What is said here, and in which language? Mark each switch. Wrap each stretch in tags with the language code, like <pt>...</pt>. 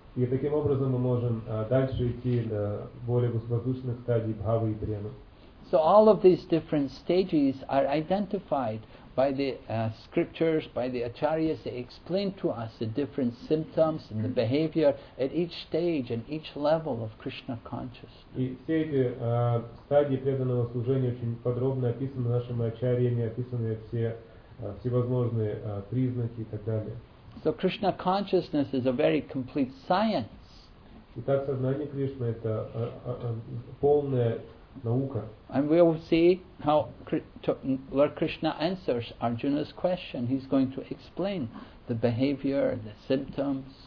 <ru>И таким образом мы можем дальше идти на более возвышенных стадий бхавы и премы.</ru> <en>So all of these different stages are identified by the scriptures, by the acharyas, they explain to us the different symptoms and the behavior at each stage and each level of Krishna consciousness.</en> <ru>И все эти стадии преданного служения очень подробно описаны нашими ачарьями, описаны все всевозможные признаки и так далее.</ru> <en>So Krishna consciousness is a very complete science.</en> <ru>Итак, сознание Кришны — это полная наука.</ru> <en>And we will see how Lord Krishna answers Arjuna's question. He's going to explain the behavior, the symptoms.</en>